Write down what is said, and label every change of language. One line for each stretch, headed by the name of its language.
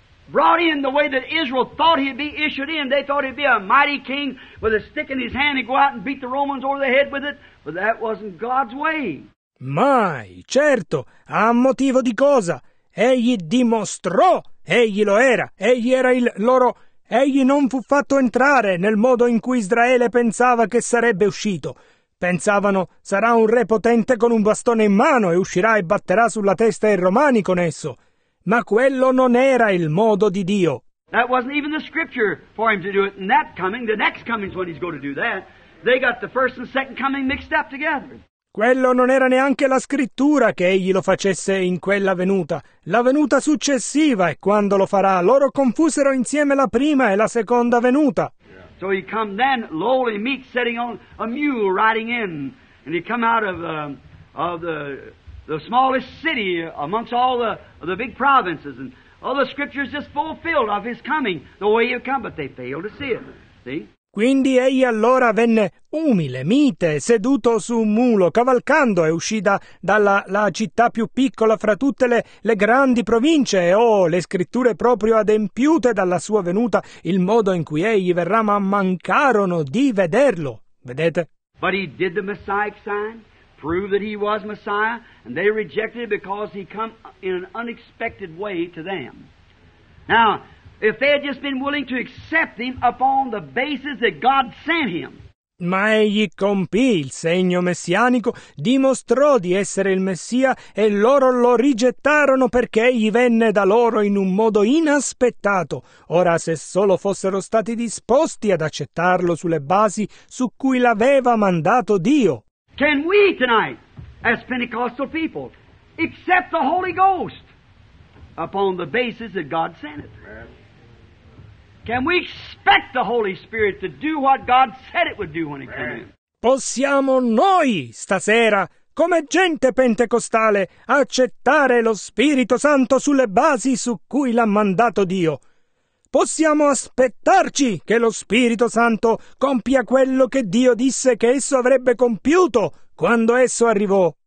English: brought in the way that Israel thought he'd be issued in. They thought he'd be a mighty king with a stick in his hand and go out and beat the Romans over the head with it. But that wasn't God's way.
Italian: Mai, certo, a motivo di cosa? Egli dimostrò, egli lo era, egli era il loro... Egli non fu fatto entrare nel modo in cui Israele pensava che sarebbe uscito. Pensavano, sarà un re potente con un bastone in mano e uscirà e batterà sulla testa i romani con esso. Ma quello non era il modo di Dio.
English: That wasn't even the scripture for him to do it. And that coming, the next coming is when he's going to do that. They got the first and second coming mixed up together.
Italian: Quello non era neanche la scrittura che egli lo facesse in quella venuta. La venuta successiva è quando lo farà. Loro confusero insieme la prima e la seconda venuta.
English: So he come then, lowly meek, sitting on a mule riding in. And he come out of the smallest city amongst all the big provinces. And all the scriptures just fulfilled of his coming, the way he come, but they failed to see it. See?
Italian: Quindi egli allora venne umile, mite, seduto su un mulo, cavalcando, e uscì dalla città più piccola fra tutte le grandi province. E oh, le scritture proprio adempiute dalla sua venuta, il modo in cui egli verrà, ma mancarono di vederlo. Vedete?
English: But he did the Messiah sign, proved that he was Messiah, and they rejected it because he come in an unexpected way to them. Now, if they had just been willing to accept him upon the basis that God sent him.
Italian: Ma egli compì il segno messianico, dimostrò di essere il Messia, e loro lo rigettarono perché egli venne da loro in un modo inaspettato. Ora, se solo fossero stati disposti ad accettarlo sulle basi su cui l'aveva mandato Dio.
English: Can we tonight, as Pentecostal people, accept the Holy Ghost upon the basis that God sent it? Can we expect the Holy Spirit to do what God said it would do when it came in?
Italian: Possiamo noi stasera, come gente pentecostale, accettare lo Spirito Santo sulle basi su cui l'ha mandato Dio? Possiamo aspettarci che lo Spirito Santo compia quello che Dio disse che esso avrebbe compiuto quando esso arrivò?